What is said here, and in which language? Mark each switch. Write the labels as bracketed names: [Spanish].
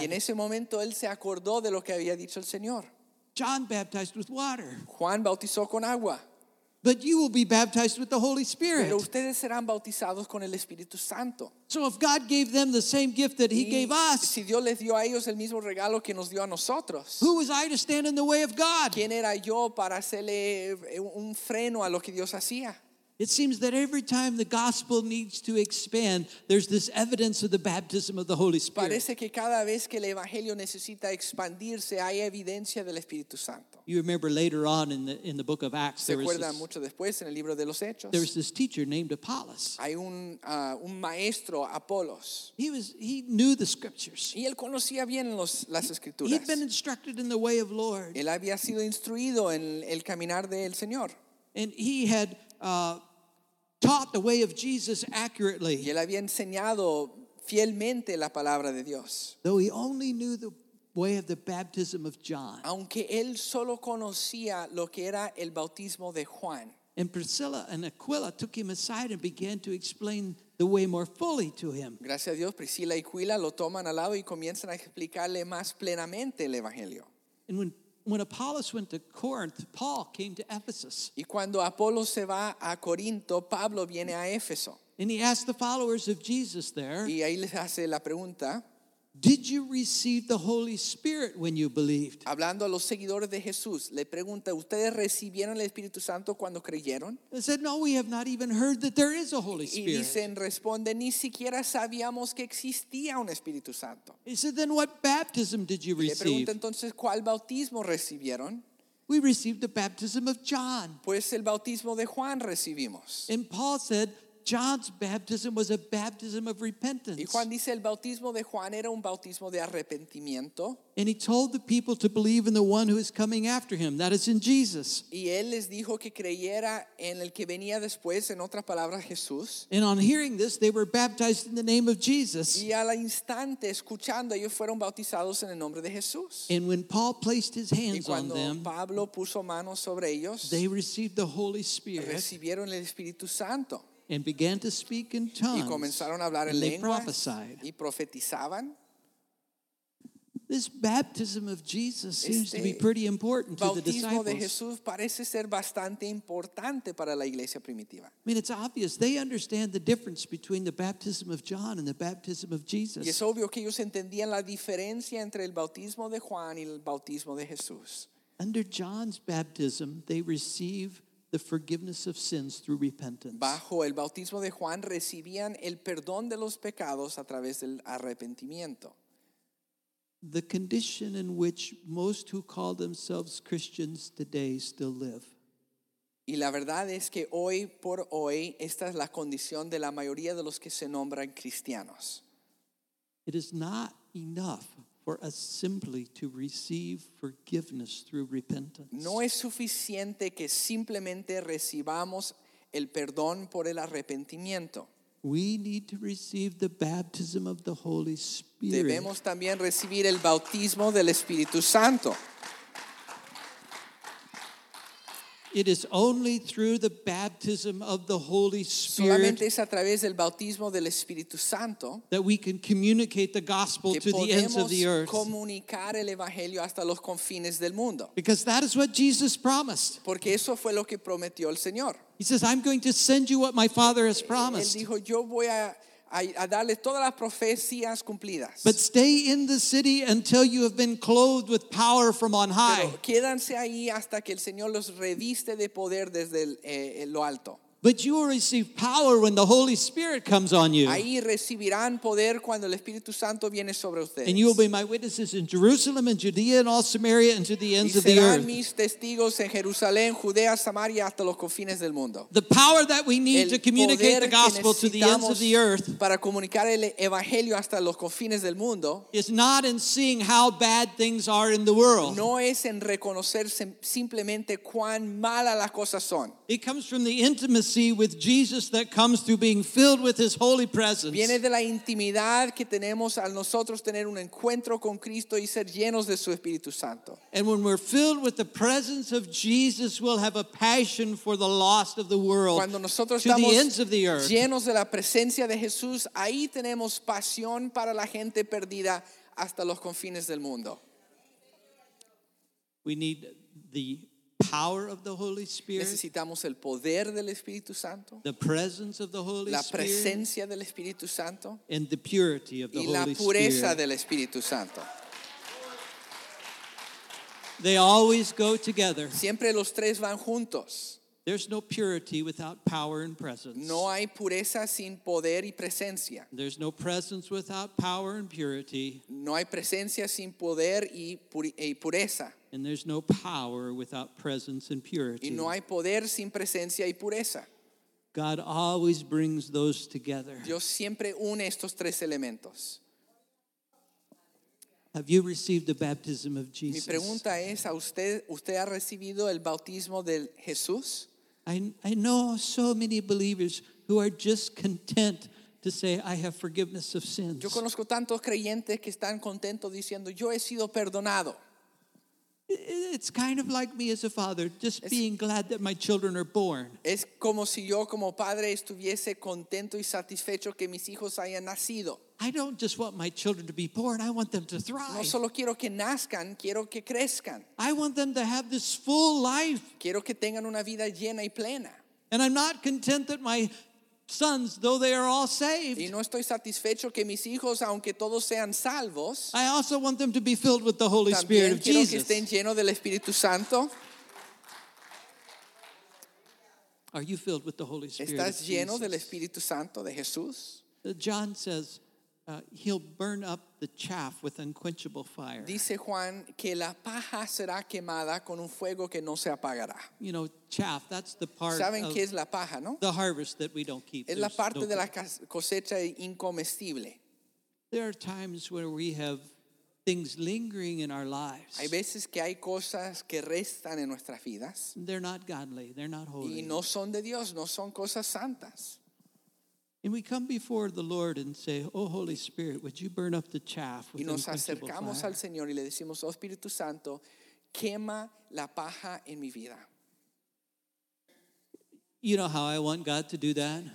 [Spanish] Y en ese momento él se acordó de lo que había dicho el Señor. [English] John baptized with water. [Spanish] Juan bautizó con agua. [English] But you will be baptized with the Holy Spirit. [Spanish] Pero ustedes serán bautizados con el Espíritu Santo. [English] So if God gave them the same gift that he gave us, [Spanish] si Dios les dio a ellos el mismo regalo que nos dio a nosotros, [English] who was I to stand in the way of God? [Spanish] ¿Quién era yo para hacerle un freno a lo que Dios hacía? [English] It seems that every time the gospel needs to expand, there's this evidence of the baptism of the Holy Spirit. [Spanish] Parece que cada vez que el evangelio necesita expandirse, hay evidencia del Espíritu Santo. [English] You remember later on in the book of Acts, there was this, [Spanish] mucho después, en el libro de los Hechos, [English] there was this teacher named Apollos. [Spanish] Hay un maestro, Apollos. [English] He knew the scriptures. [Spanish] Y él conocía bien las escrituras. [English] He'd been instructed in the way of the Lord. [Spanish] Él había sido instruido en el caminar del Señor. [English] And he had taught the way of Jesus accurately. [Spanish] Y él había enseñado fielmente la palabra de Dios. [English] Though he only knew the way of the baptism of John. [Spanish] Aunque él solo conocía lo que era el bautismo de Juan. [English] And Priscilla and Aquila took him aside and began to explain the way more fully to him. [Spanish] Gracias a Dios, Priscilla y Aquila lo toman al lado y comienzan a explicarle más plenamente el evangelio. [English] And when Apollos went to Corinth, Paul came to Ephesus. [Spanish] Y cuando Apolos se va a Corinto, Pablo viene a Éfeso. [English] And he asked the followers of Jesus there. [Spanish] Y ahí les hace la pregunta. [English] Did you receive the Holy Spirit when you believed? [Spanish] Hablando a los seguidores de Jesús, le pregunta, ¿ustedes recibieron el Espíritu Santo cuando creyeron? [English] They said, no, we have not even heard that there is a Holy Spirit. [Spanish] Y dicen, responde, ni siquiera sabíamos que existía un Espíritu Santo. [English] He said, then what baptism did you receive? [Spanish] Le pregunta entonces, ¿cuál bautismo recibieron? [English] We received the baptism of John. [Spanish] Pues el bautismo de Juan recibimos. [English] And Paul said, John's baptism was a baptism of repentance. [Spanish] Y Juan dice el bautismo de Juan era un bautismo de arrepentimiento. [English] And he told the people to believe in the one who is coming after him, that is in Jesus. [Spanish] Y él les dijo que creyera en el que venía después, en otras palabras, Jesús. [English] And on hearing this, they were baptized in the name of Jesus. [Spanish] Y al instante, escuchando, ellos fueron bautizados en el nombre de Jesús. [English] And when Paul placed his hands [Spanish] y cuando [English] on them, [Spanish] Pablo puso manos sobre ellos, [English] they received the Holy Spirit. [Spanish] Recibieron el Espíritu Santo. [English] And began to speak in tongues. [Spanish] Y comenzaron a hablar en lenguas. [English] And they prophesied. [Spanish] Y profetizaban. [English] This baptism of Jesus seems to be pretty important to the disciples. [Spanish] Bautismo de Jesús parece ser bastante importante para la iglesia primitiva. [English] I mean, it's obvious they understand the difference between the baptism of John and the baptism of Jesus. [Spanish] Y es obvio que ellos entendían la diferencia entre el bautismo de Juan y el bautismo de Jesús. [English] Under John's baptism, they receive the forgiveness of sins through repentance. [Spanish] Bajo el bautismo de Juan recibían el perdón de los pecados a través del arrepentimiento. [English] The condition in which most who call themselves Christians today still live. [Spanish] Y la verdad es que hoy por hoy esta es la condición de la mayoría de los que se nombran cristianos. [English] It is not enough for us simply to receive forgiveness through repentance. [Spanish] No es suficiente que simplemente recibamos el perdón por el arrepentimiento. [English] We need to receive the baptism of the Holy Spirit. [Spanish] Debemos también recibir el bautismo del Espíritu Santo. [English] It is only through the baptism of the Holy Spirit. [Spanish] Solamente es a través del bautismo del Espíritu Santo [English] that we can communicate the gospel to the ends of the earth. [Spanish] Que podemos comunicar el evangelio hasta los confines del mundo. [English] Because that is what Jesus promised. [Spanish] Porque eso fue lo que prometió el Señor. [English] He says, "I'm going to send you what my Father has promised." [Spanish] Él dijo, "Yo voy a darle todas las profecías cumplidas." [English] But stay in the city until you have been clothed with power from on high. [Spanish] Pero quédanse ahí hasta que el Señor los reviste de poder desde lo alto. [English] But you will receive power when the Holy Spirit comes on you. [Spanish] Ahí recibirán poder cuando el Espíritu Santo viene sobre ustedes. [English] And you will be my witnesses in Jerusalem and Judea and all Samaria and to the ends of the earth. [Spanish] Y serán mis testigos en Jerusalén, Judea, Samaria hasta los confines del mundo. [English] The power that we need to communicate the gospel to the ends of the earth [Spanish] para comunicar el evangelio hasta los confines del mundo [English] is not in seeing how bad things are in the world. [Spanish] No es en reconocer simplemente cuán malas las cosas son. [English] It comes from the intimacy with Jesus that comes through being filled with his holy presence. [Spanish] Viene de la intimidad que tenemos al nosotros tener un encuentro con Cristo y ser llenos de su Espíritu Santo. [English] And when we're filled with the presence of Jesus, we'll have a passion for the lost of the world. [Spanish] Cuando nosotros [English] to the ends of the earth. [Spanish] Llenos de la presencia de Jesús, ahí tenemos pasión para la gente perdida hasta los confines del mundo. [English] We need the power of the Holy Spirit. [Spanish] Necesitamos el poder del Espíritu Santo. [English] The presence of the Holy Spirit. [Spanish] La presencia del Espíritu Santo. [English] And the purity of the Holy Spirit. [Spanish] Y la pureza del Espíritu Santo. [English] They always go together. [Spanish] Siempre los tres van juntos. [English] There's no purity without power and presence. [Spanish] No hay pureza sin poder y presencia. [English] There's no presence without power and purity. [Spanish] No hay presencia sin poder y pureza. [English] And there's no power without presence and purity. [Spanish] Y no hay poder sin presencia y pureza. [English] God always brings those together. [Spanish] Dios siempre une estos tres elementos. [English] Have you received the baptism of Jesus? [Spanish] Mi pregunta es, ¿a usted, usted ha recibido el bautismo de Jesús? [English] I know so many believers who are just content to say, I have forgiveness of sins. [Spanish] Yo conozco tantos creyentes que están contentos diciendo, yo he sido perdonado. [English] It's kind of like me as a father, just being glad that my children are born. [Spanish] Es como si yo como padre estuviese contento y satisfecho que mis hijos hayan nacido. [English] I don't just want my children to be born, I want them to thrive. [Spanish] No solo quiero que nazcan, quiero que crezcan. [English] I want them to have this full life. [Spanish] Quiero que tengan una vida llena y plena. [English] And I'm not content that my sons, though they are all saved. [Spanish] Y no estoy satisfecho que mis hijos, aunque todos sean salvos, [English] I also want them to be filled with the Holy Spirit of Jesus. [Spanish] También quiero que estén llenos del Espíritu Santo. [English] Are you filled with the Holy Spirit? [Spanish] ¿Estás lleno del Espíritu Santo de Jesús? [English] John says, he'll burn up the chaff with unquenchable fire. [Spanish] Dice Juan que la paja será quemada con un fuego que no se apagará. [English] You know, chaff, that's the part. [Spanish] ¿Saben qué es la paja, no? [English] The harvest that we don't keep. [Spanish] Es la parte de la cosecha incomestible. [English] There are times where we have things lingering in our lives. [Spanish] Hay veces que hay cosas que restan en nuestras vidas. [English] They're not godly, they're not holy. [Spanish] Y no son de Dios, no son cosas santas. [English] And we come before the Lord and say, "Oh Holy Spirit, would you burn up the chaff with unquenchable fire?" [Spanish] Y nos acercamos al Señor y le decimos, "Oh Espíritu Santo, quema la paja en mi vida." [English] You know how I want God to do that?